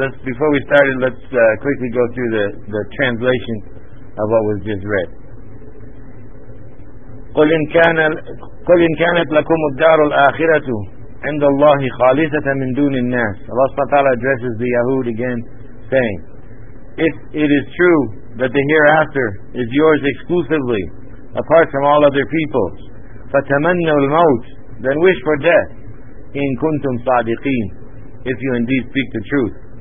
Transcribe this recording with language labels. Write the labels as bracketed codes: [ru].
[en] Before we started, let's quickly go through the translation of what was just read. [ar] قل إن كانت لكم الدار الآخرة عند الله خالصة من دون الناس. [en] Allah subhanahu wa ta'ala addresses the Yahud again, saying, if it is true that the hereafter is yours exclusively, apart from all other peoples, [ar] فتمنوا الموت, [en] then wish for death, [ar] إن كنتم صادقين, [en] if you indeed speak the truth.